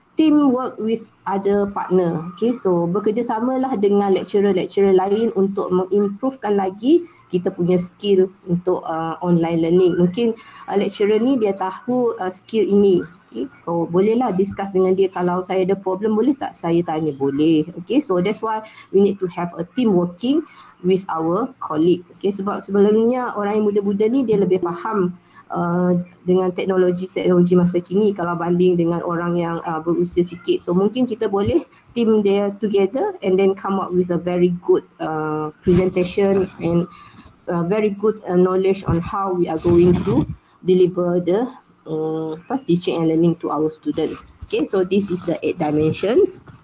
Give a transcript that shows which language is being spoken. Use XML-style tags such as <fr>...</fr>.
<en>teamwork with other partner.</en> <ms>Okay, so bekerjasamalah dengan lecturer-lecturer lain untuk mengimprovekan lagi kita punya skill untuk online learning. Mungkin lecturer ni dia tahu skill ini. Okay, so bolehlah discuss dengan dia, kalau saya ada problem boleh tak saya tanya? Boleh.</ms> <en>Okay, so that's why we need to have a team working with our colleague.</en> <ms>Okay, sebab sebelumnya orang yang muda-muda ni dia lebih faham dengan teknologi-teknologi masa kini kalau banding dengan orang yang berusia sikit.</ms> <en>So</en> <ms>mungkin kita boleh team dia</ms> <en>together and then come up with a very good presentation and very good knowledge on how we are going to deliver the teaching and learning to our students. Okay, so this is the 8 dimensions.</en>